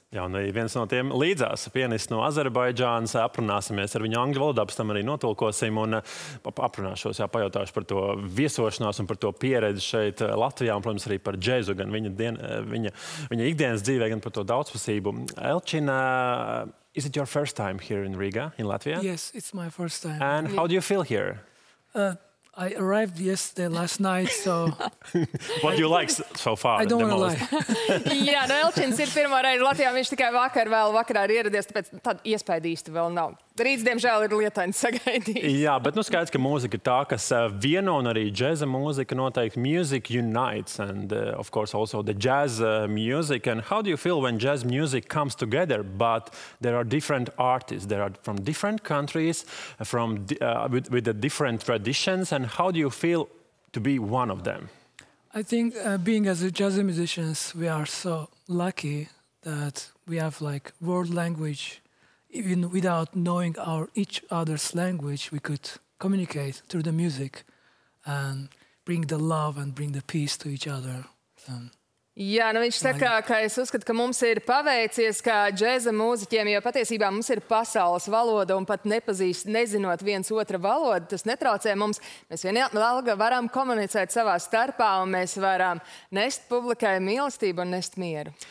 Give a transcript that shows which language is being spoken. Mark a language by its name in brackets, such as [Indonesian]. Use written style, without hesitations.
[Latvian] Jā, un viens no tiem līdzās pianists no Azerbaidžānas. Aprunāsimies ar viņu angļu valodā, pēc tam arī notulkosim un aprunāšos, jā, pajautāšu par to viesošanos un par to pieredzi šeit Latvijā un, protams, arī par džezu, gan viņa ikdienas dzīvē, gan par to daudzpusību. [English] Elčina, is it your first time here in Riga, in Latvia? Yes, it's my first time. And how do you feel here? I arrived yesterday, last night, so... What do you like so far? I don't want to lie. [Latvian] Jā, no Elčins ir pirmo reizi Latvijā, viņš tikai vakarā ir ieradies, tāpēc tad iespēja īsti vēl nav. Rīts, diemžēl, ir lietaini sagaidīt. Jā, bet nu skaidrs, ka mūzika ir tā, kas vieno un arī džeza mūzika noteikti. [English] Music unites and, of course, also the jazz music. And how do you feel when jazz music comes together, but there are different artists, there are from different countries, from with the different traditions, and how do you feel to be one of them? I think being as a jazz musicians, we are so lucky that we have like world language. Even without knowing each other's language, we could communicate through the music and bring the love and bring the peace to each other. [Latvian] Jā, nu viņš saka, ka es uzskatu, ka mums ir paveicies kā džeza mūziķiem, jo patiesībā mums ir pasaules valoda un pat nezinot viens otra valoda, tas netraucē mums. Mēs vienalga varam komunicēt savā starpā un mēs varam nest publikai mīlestību un nest mieru.